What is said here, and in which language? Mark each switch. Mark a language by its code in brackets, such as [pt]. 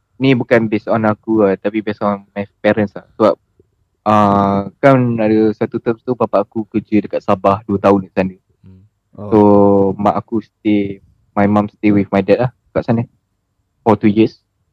[ms] Ni bukan based on aku lah, tapi [en] based on my parents [ms] lah. Sebab kan ada satu term tu, bapa aku kerja dekat Sabah 2 tahun dekat sana. [en] So [ms] mak aku [en] my mum stay with my dad [ms] lah dekat sana [en] for 2 years.